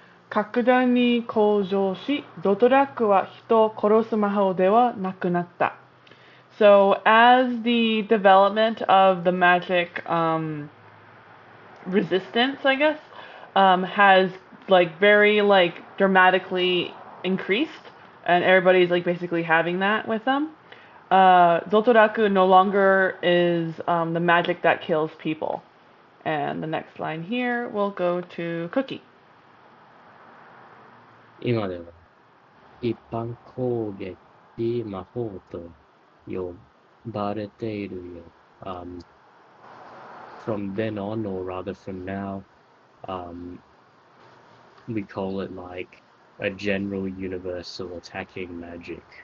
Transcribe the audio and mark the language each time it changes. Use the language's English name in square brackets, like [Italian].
[Japanese] 格段に向上し、ドトラックは人を殺す魔法ではなくなった。 [English] So, as the development of the magic resistance, I guess, has like very like dramatically increased, and everybody's like basically having that with them, ドトラック no longer is the magic that kills people. And the next line here will go to Cookie. [Japanese] 今では一般攻撃魔法と呼ばれているよ。 [English] From then on, or rather from now, we call it like a general universal attacking magic.